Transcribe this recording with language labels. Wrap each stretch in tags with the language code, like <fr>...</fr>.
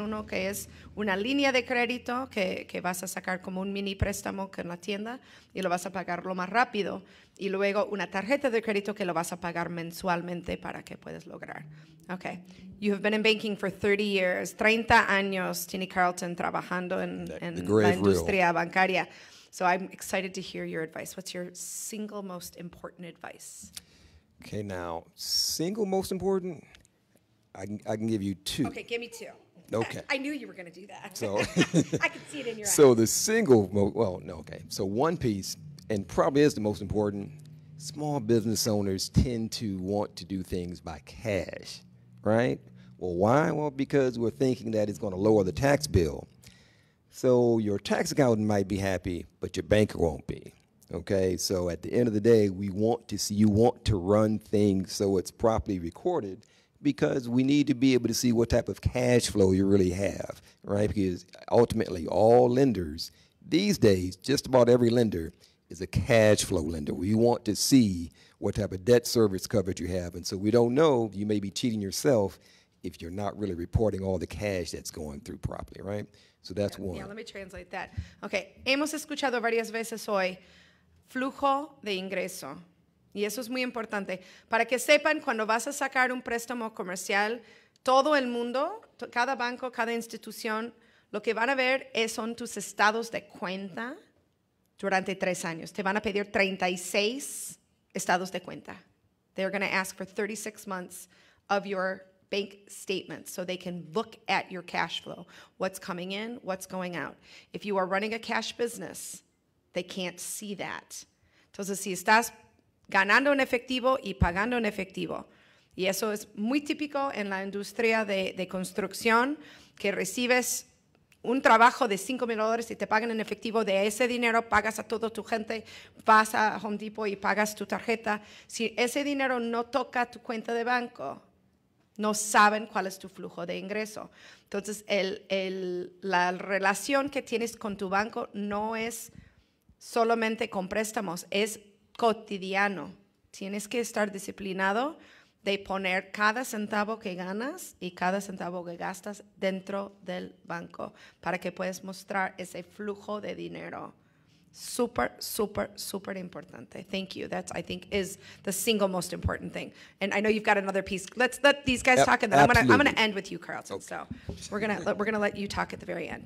<es>Uno que es una línea de crédito que vas a sacar como un mini préstamo con la tienda y lo vas a pagar lo más rápido. Y luego una tarjeta de crédito que lo vas a pagar mensualmente para que puedas lograr. Okay.</es> <en>You have been in banking for 30 years.</en> <es>30 años tiene Carlton trabajando en la industria bancaria.</es> <en>So I'm excited to hear your advice. What's your single most important advice? Okay, now, single most important, I can give you two. Okay, give me two. Okay. I knew you were going to do that. So I can see it in your eyes. So the single, So one piece, and probably is the most important, small business owners tend to want to do things by cash, right? Well, why? Well, because we're thinking that it's going to lower the tax bill. So your tax accountant might be happy, but your banker won't be. Okay, so at the end of the day, you want to run things so it's properly recorded, because we need to be able to see what type of cash flow you really have, right? Because ultimately, all lenders these days, just about every lender is a cash flow lender. We want to see what type of debt service coverage you have. And so we don't know, you may be cheating yourself if you're not really reporting all the cash that's going through properly, right? So that's one. Yeah, let me translate that.</en> <es>Okay, hemos escuchado varias veces hoy flujo de ingreso. Y eso es muy importante. Para que sepan, cuando vas a sacar un préstamo comercial, todo el mundo, cada banco, cada institución, lo que van a ver son tus estados de cuenta durante 3 años. Te van a pedir 36 estados de cuenta.</es> <en>They're going to ask for 36 months of your bank statement so they can look at your cash flow. What's coming in, what's going out. If you are running a cash business, they can't see that.</en> <es>Entonces, si estás ganando en efectivo y pagando en efectivo, y eso es muy típico en la industria de construcción, que recibes un trabajo de $5,000 y te pagan en efectivo, de ese dinero pagas a toda tu gente, vas a Home Depot y pagas tu tarjeta. Si ese dinero no toca tu cuenta de banco, no saben cuál es tu flujo de ingreso. Entonces, la relación que tienes con tu banco no es solamente con préstamos, es cotidiano. Tienes que estar disciplinado de poner cada centavo que ganas y cada centavo que gastas dentro del banco para que puedas mostrar ese flujo de dinero. Super, super, super importante.</es> <en>Thank you. That's, I think, is the single most important thing. And I know you've got another piece. Let's let these guys talk, and then absolutely. I'm gonna end with you, Carlton. Okay. So we're gonna let you talk at the very end.</en>